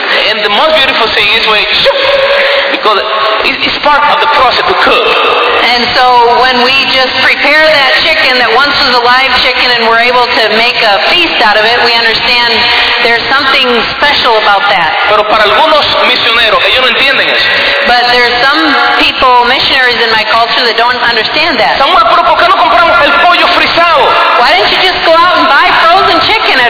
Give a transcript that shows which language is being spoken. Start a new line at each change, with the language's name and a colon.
English: And the most beautiful thing is when shoop, because it's part of the process to cook. And so when we just prepare that chicken that once was a live chicken and we're able to make a feast out of it, we understand there's something special about that.
Spanish: Pero para algunos misioneros, ellos no entienden eso.
English: But there's some people, missionaries in my culture, that don't understand that.
Spanish: Samuel, pero ¿por qué no compramos el pollo frisado?
English: Why don't you just go out and buy frozen chicken at